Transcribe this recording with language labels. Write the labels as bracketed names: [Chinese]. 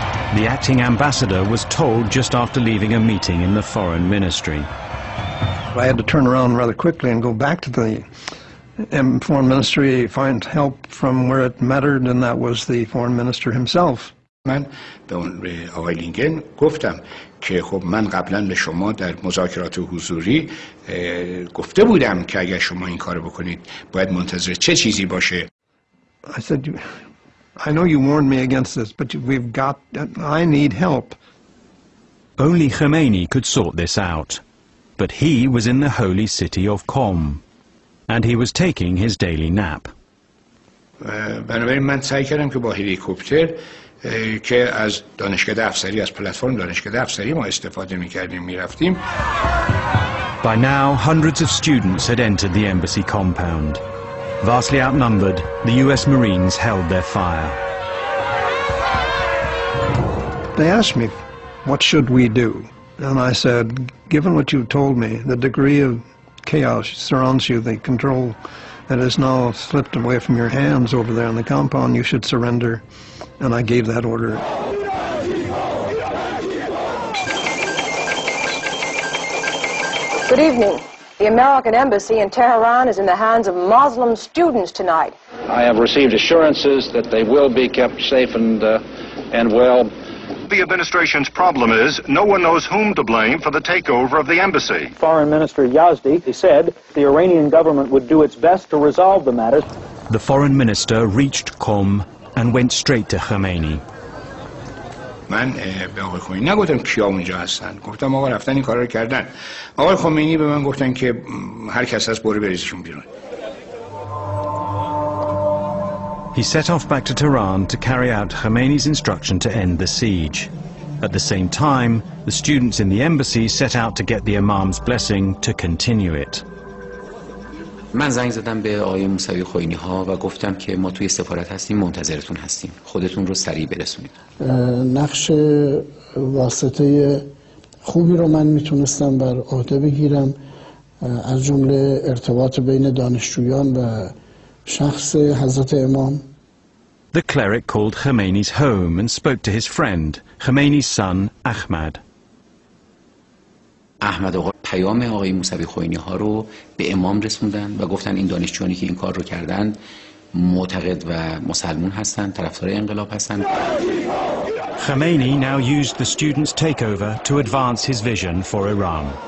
[English] The acting ambassador was told just after leaving a meeting in the foreign ministry. I had to turn around rather quickly and go back to the and foreign ministry find help from where it mattered, and that was the foreign minister himself. [Persian] من به اون آقای لینکن گفتم که خب من قبلا به شما در مذاکرات حضوری گفته بودم که اگر شما این کار بکنید باید منتظر چه چیزی باشه. [English] I said, I know you warned me against this, but we've got, I need help. Only Khomeini could sort this out, but he was in the holy city of Qom. And he was taking his daily nap. [Persian] بنابراین من سعی کردم که با هلیکوپتر که از دانشکده افسری از پلتفرم دانشکده افسری ما استفاده می‌کردیم می‌رفتیم. [English] By now, hundreds of students had entered the embassy compound. Vastly outnumbered, the US Marines held their fire. They asked me, what should we do? And I said, given what you've told me, the degree of chaos surrounds you, the control that has now slipped away from your hands over there in the compound, you should surrender. And I gave that order. Good evening. The American Embassy in Tehran is in the hands of Muslim students tonight. I have received assurances that they will be kept safe and well. The administration's problem is no one knows whom to blame for the takeover of the embassy. Foreign Minister Yazdi said the Iranian government would do its best to resolve the matter. The foreign minister reached Qom and went straight to Khomeini. [Persian] من به آقای خمینی نگفتم کیا اونجا هستن، گفتم آقا رفتن این کار رو کردن. آقای خمینی به من گفتن که هر کس هست بره بریزشون بیرون. [English] He set off back to Tehran to carry out Khomeini's instruction to end the siege. At the same time, the students in the embassy set out to get the imam's blessing to continue it. [Persian] من زنگ زدم به آقای موسوی خوینی ها و گفتم که ما توی سفارت هستیم، منتظرتون هستیم، خودتون رو سریع برسونید. نقش واسطه خوبی رو من میتونستم بر عهده بگیرم، از جمله ارتباط بین دانشجویان و شخص حضرت امام. [English] The cleric called Khomeini's home and spoke to his friend, Khomeini's son, Ahmad. [Persian] احمد آقا پیام آقای موسوی خوینی ها رو به امام رسوندن و گفتن این دانشجویانی که این کار رو کردن معتقد و مسلمون هستن، طرفدار انقلاب هستن. [English] Khomeini now used the students' takeover to advance his vision for Iran.